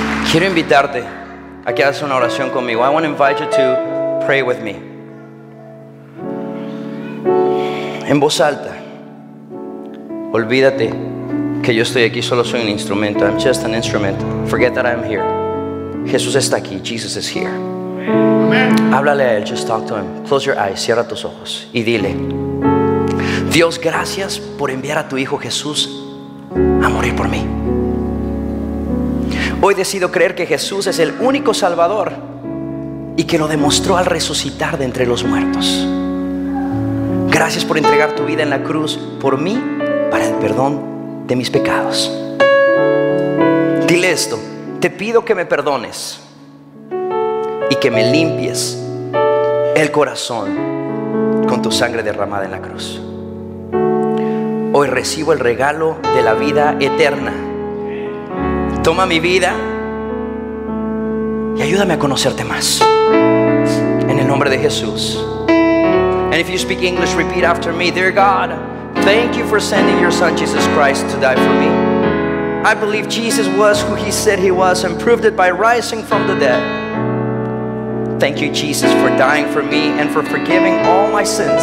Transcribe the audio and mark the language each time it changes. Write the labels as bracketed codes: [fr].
[es] Quiero invitarte a que hagas una oración conmigo. [en] I want to invite you to pray with me. [es] En voz alta. Olvídate que yo estoy aquí, solo soy un instrumento. [en] I'm just an instrument. Forget that I'm here. [es] Jesús está aquí. [en] Jesus is here. Amen. [es] Háblale a Él. [en] Just talk to Him. Close your eyes. [es] Cierra tus ojos. Y dile, Dios, gracias por enviar a tu Hijo Jesús a morir por mí. Hoy decido creer que Jesús es el único Salvador y que lo demostró al resucitar de entre los muertos. Gracias por entregar tu vida en la cruz por mí, para el perdón de mis pecados. Dile esto: te pido que me perdones y que me limpies el corazón con tu sangre derramada en la cruz. Hoy recibo el regalo de la vida eterna toma mi vida y ayúdame a conocerte más. En el nombre de Jesús. [en] And if you speak English, repeat after me. Dear God, thank you for sending your son Jesus Christ to die for me. I believe Jesus was who he said he was and proved it by rising from the dead. Thank you, Jesus, for dying for me and for forgiving all my sins.